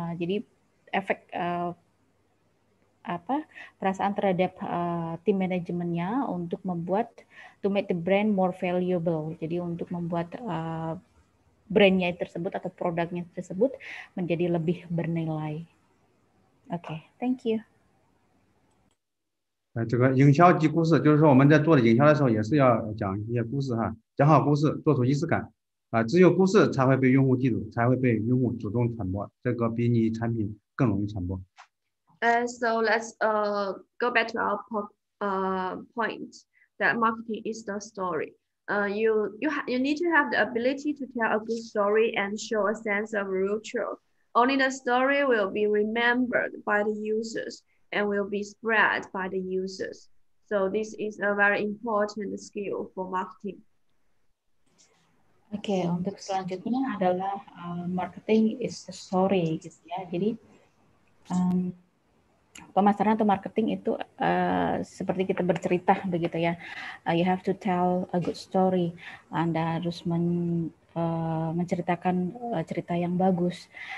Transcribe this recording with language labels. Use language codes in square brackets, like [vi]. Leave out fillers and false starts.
[id] Jadi efek apa perasaan terhadap tim manajemennya untuk membuat [en] to make the brand more valuable. [id] Jadi untuk membuat brandnya tersebut atau produknya tersebut menjadi lebih bernilai. [en] Okay, thank you. [zh] 这个营销及故事，就是说我们在做营销的时候，也是要讲一些故事哈，讲好故事，做出仪式感。只有故事才会被用户记住，才会被用户主动传播。这个比你产品更容易传播。 [en] So let's go back to our point that marketing is the story. You need to have the ability to tell a good story and show a sense of ritual. Only the story will be remembered by the users and will be spread by the users. So this is a very important skill for marketing. [id] Okay, untuk selanjutnya adalah [en] marketing is the story, [id] gitu ya. Jadi pemasaran atau marketing itu seperti kita bercerita begitu ya. [en] You have to tell a good story. [id] Anda harus menceritakan cerita yang bagus.